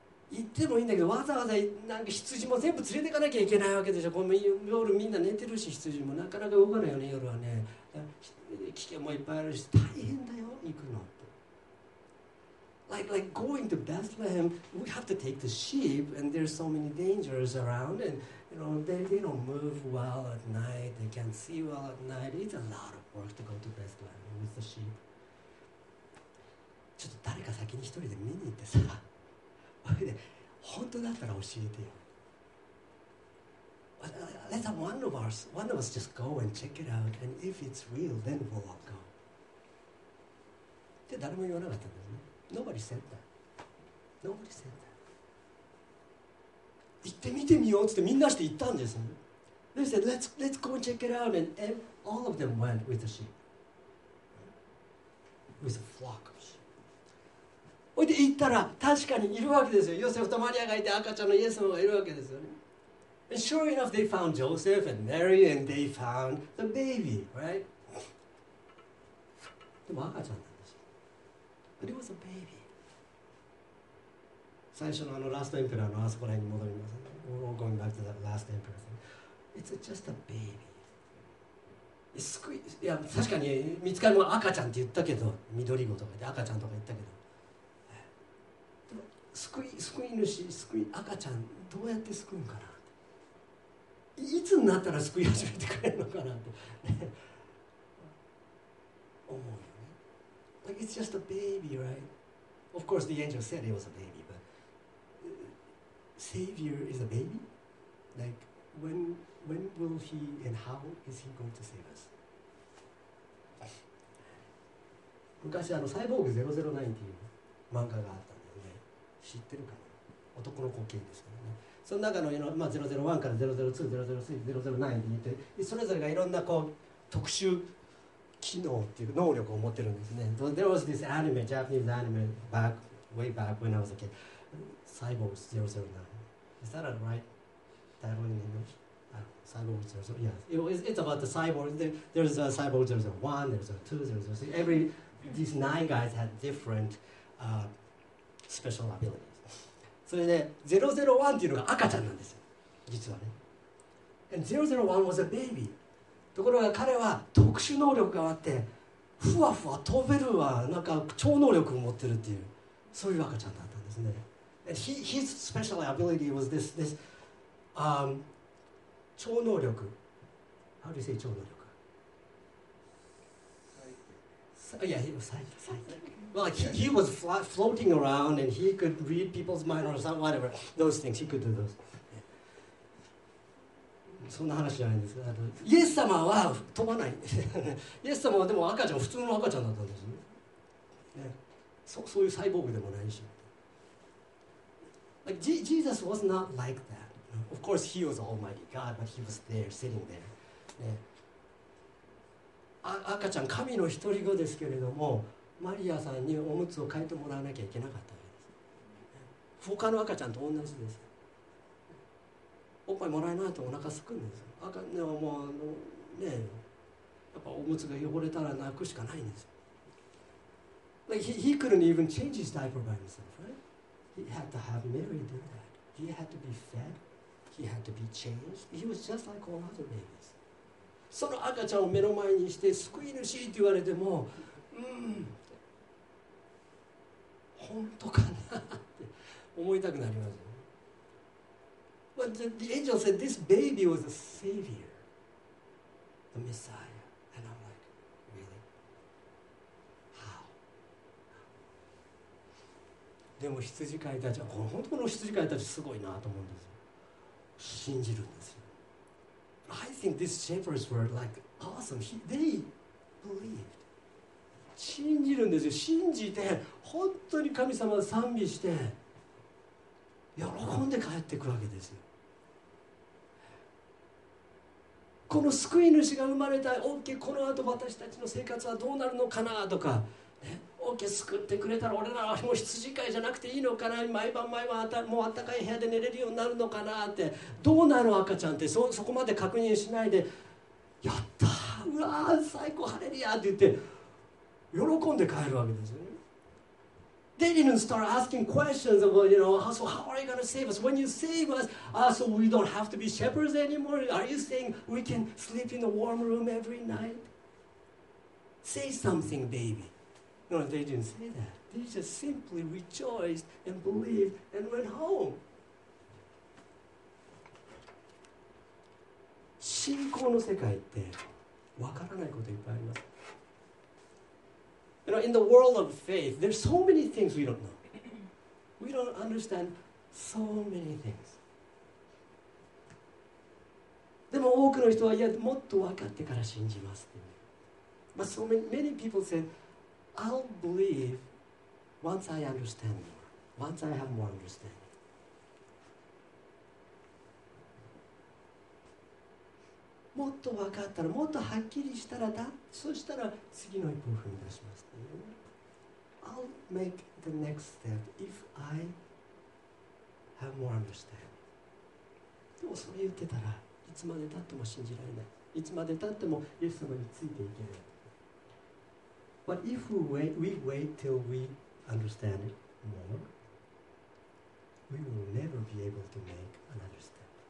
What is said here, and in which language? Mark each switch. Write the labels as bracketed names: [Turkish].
[Japanese] 言ってもいいんだけど、わざわざなんか羊も全部連れていかなきゃいけないわけでしょ。この夜みんな寝てるし、羊もなかなか動かないよね、夜はね。危険もいっぱいあるし大変だよ行くのって。 [English] like going to Bethlehem, we have to take the sheep and there's so many dangers around andYou know, they don't move well at night, they can't see well at night. It's a lot of work to go to Bethlehem with the sheep. [Japanese] ちょっと誰か先に一人で見に行ってさ、それで本当だったら教えてよ。 [English] Let one of us just go and check it out, and if it's real, then we'll all go. [Japanese] で誰も言わなかったんですね。 [English] Nobody said that. Nobody said that. [Japanese] 行って見てみようってみんなして行ったんです。 [English] They said, let's go and check it out. And all of them went with the sheep. With a flock of sheep. [Japanese] おいで行ったら確かにいるわけですよ。ヨセフとマリアがいて赤ちゃんのイエス様がいるわけですよね。 [English] And sure enough, they found Joseph and Mary and they found the baby, right? [Japanese] でも赤ちゃんなんですよ。 [English] But it was a baby. [Japanese] 最初のあのラストエンペラーのあそこら辺に戻ります。 [English] We're going back to the last emperor. It's just a baby. [Japanese] いや確かに見つかるのは赤ちゃんって言ったけど、緑子とかで赤ちゃんとか言ったけど、でも救い主、赤ちゃんどうやって救うんかなって。いつになったら救い始めてくれるのかなって思うよね。 [English] Like it's just a baby, right? Of course, the angel said it was a baby. Savior is a baby? Like, when will he and how is he going to save us? [Japanese] 昔あのサイボーグ009っていう漫画があったんだよね。知ってるかな？男の子系ですけどね。その中の、まあ、001から002、003、009って言って、それぞれがいろんなこう特殊機能っていう能力を持ってるんですね。 [English] There was this anime, Japanese anime back, way back when I was a kid. Cyborgs 009. Is that a right title in English? Cyborgs 009. Yes. It's about the cyborgs. There's a cyborg 001, there's a 2, 003. Every, these nine guys had different special abilities. [Japanese] それで001っていうのが赤ちゃんなんですよ。実はね。 [English] And 001 was a baby. [Japanese] ところが彼は特殊能力があって、ふわふわ飛べるわ、なんか超能力を持ってるっていう、そういう赤ちゃんだったんですね。 [English] And his special ability was this 超能力。How do you say 超能力？ Yeah, he was psychic. Well, he was floating around and he could read people's mind or something, whatever. Those things, he could do those. [Japanese] そんな話じゃないんですけど、イエス様は飛ばない。イエス様はでも赤ちゃん、普通の赤ちゃんだったんですね。そういうサイボーグでもないし。 [English] Like, Jesus was not like that. Of course, he was Almighty God, but he was there, sitting there. [Japanese] ね、赤ちゃん、神の一人子ですけれども、マリアさんにおむつを替えてもらわなきゃいけなかったわけです。他の赤ちゃんと同じです。おっぱいもらえないとお腹すくんです。赤ちゃんはもうねえ、やっぱおむつが汚れたら泣くしかないんです。 [English] He couldn't even change his diaper by himself, right? He had to have Mary do that. He had to be fed. He had to be changed. He was just like all other babies. [Japanese] その赤ちゃんを目の前にして救い主って言われても、うん、本当かなって思いたくなりますよ、ね。 [English] But the angel said, this baby was a savior, the Messiah. And I'm like, really? How? [Japanese] でも羊飼いたちは、本当の羊飼いたちすごいなと思うんですよ。信じるんですよ。 [English] I think these shepherds were like awesome. They believed. [Japanese] 信じるんですよ。信じて本当に神様を賛美して喜んで帰っていくわけですよ。この救い主が生まれた、 OK、 この後私たちの生活はどうなるのかなとか、ね、OK、 救ってくれたら俺らはもう羊飼いじゃなくていいのかな、毎晩毎晩もうあったかい部屋で寝れるようになるのかなって、どうなの赤ちゃんって そこまで確認しないで、やった、うわ最高、ハレルヤって言って喜んで帰るわけですよね。 [English] They didn't start asking questions about, you know, so how are you going to save us? When you save us, so we don't have to be shepherds anymore? Are you saying we can sleep in a warm room every night? Say something, baby. No, they didn't say that. They just simply rejoiced and believed and went home. [Japanese] 信仰の世界ってわからないこといっぱいあります。 [English] You know, in the world of faith, there's so many things we don't know. We don't understand so many things. [Japanese] でも多くの人は、いや、もっと分かってから信じますって。 [English] But so many people say, I'll believe once I understand more. Once I have more understanding. [Japanese] もっと分かったら、もっとはっきりしたらだ、そしたら次の一歩を踏み出します。 [English] I'll make the next step if I have more understanding. [Japanese] でもそれ言ってたらいつまでたっても信じられない、いつまでたってもイエス様についていけない。 [English] But if we wait till we understand it more, we will never be able to make an understanding.